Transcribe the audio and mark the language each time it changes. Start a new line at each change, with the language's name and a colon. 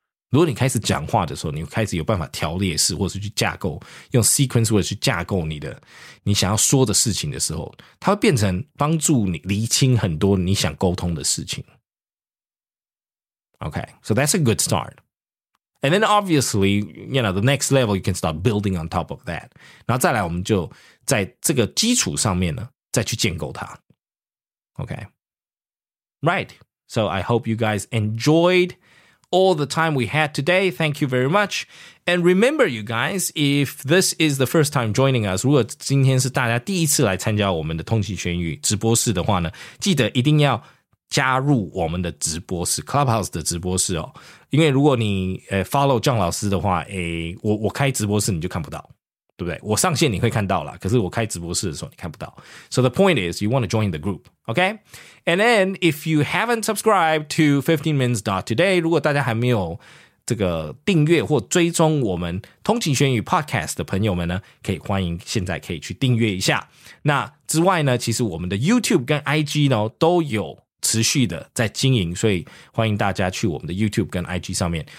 Chinese: 如果你开始讲话的时候，你开始有办法条列式，或是去架构，用 sequence words 去架构你想要说的事情的时候，它会变成帮助你厘清很多你想沟通的事情。
English: Okay, so that's a good start. And then obviously, you know, the next level, you can start building on top of that.
Chinese: 然后再来我们就在这个基础上面呢，再去建构它。
English: Okay. Right. So I hope you guys enjoyed all the time we had today. Thank you very much. And remember you guys, if this is the first time joining us,
Chinese: 如果今天是大家第一次来参加我们的通勤学英语直播室的话呢，记得一定要加入我们的直播室 Clubhouse 的直播室哦，因为如果你follow John 老师的话，我开直播室你就看不到，对不对？我上线你会看到啦，可是我开直播室的时候你看不到。
English: So the point is you want to join the group, okay? And then if you haven't subscribed to 15minutes.today,
Chinese: 如果大家还没有这个订阅或追踪我们通勤学英语 podcast 的朋友们呢，可以欢迎现在可以去订阅一下。那之外呢，其实我们的 YouTube 跟 IG 呢都有持续的在经营，所以欢迎大家去我们的 YouTube 跟 IG 上面。